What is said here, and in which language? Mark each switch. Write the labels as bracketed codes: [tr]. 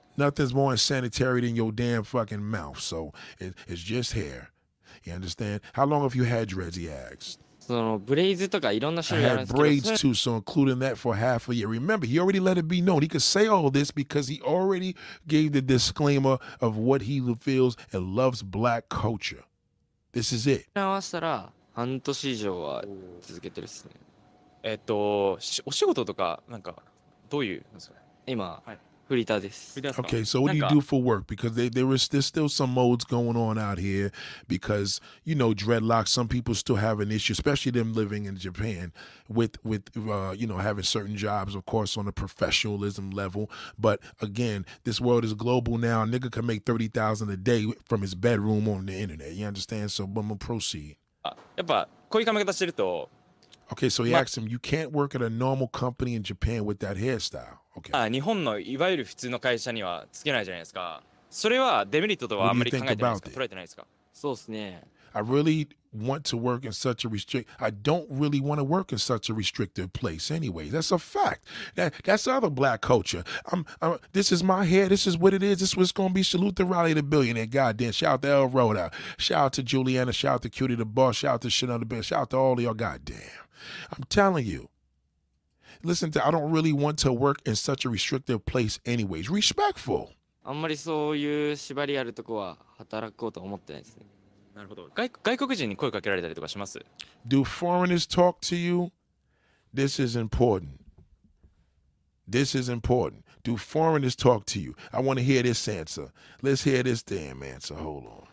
[en] Nothing's more unsanitary than your damn fucking mouth, so it's just hair. You understand? How long have you had dreads, he asked? I had braids too, so including that for half a year. Remember, he already let it be known. He could say all this because he already gave the disclaimer of what he feels and loves black culture. This is it. [ja] 直したら半年以上は続けてるっすね。お仕事とかなんかどういうんですか？今、はい、フリーターです。 [en] Okay, so what do you do for work? Because there's still some modes going on out here because, you know, dreadlocks, some people still have an issue, especially them living in Japan with having certain jobs, of course, on a professionalism level. But again, this world is global now. A nigga can make $30,000 a day from his bedroom on the internet. You understand? So I'm gonna proceed. [ja] やっぱこういう髪型してると。 [en] Okay, so he asked him, you can't work at a normal company in Japan with that hairstyle. Okay. [ja] 日本のいわゆる普通の会社にはつけないじゃないですか。それはデメリットとはあんまり考えてないですか？捉えてないですか？そうですね。 [en] I really want to work in such a I don't really want to work in such a restrictive place anyway. That's a fact. That's the other black culture. This is my hair. This is what it is. This is what's going to be. Salute the Riley the Billionaire. Goddamn. Shout out to El Roda. Shout out to Juliana. Shout out to Cutie the Boss. Shout out to Shit on the Bed. Shout out to all of y'all. Goddamn. I'm telling you. Listen, I don't really want to work in such a restrictive place anyways. Respectful. [ja] あんまりそういう縛りあるとこは働こうと思ってないですね。なるほど。外国人に声かけられたりとかします? [en] Do foreigners talk to you? This is important. This is important. Do foreigners talk to you? I want to hear this answer. Let's hear this damn answer. Hold on.